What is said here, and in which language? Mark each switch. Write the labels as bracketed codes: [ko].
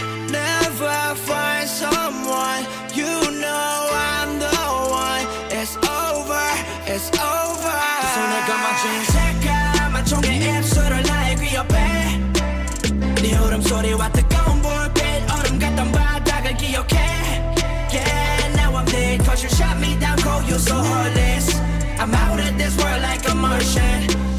[en] Never find someone, you know I'm the one. It's over, it's over. [ko] 손에 감아준 색감 한총의 입술을 나의 귀 옆에 네 울음소리와 뜨거운 불빛 얼음 같던 바닥을 기억해. [en] Yeah, now I'm dead cause you shot me down. Call you so heartless. I'm out of this world like a Martian.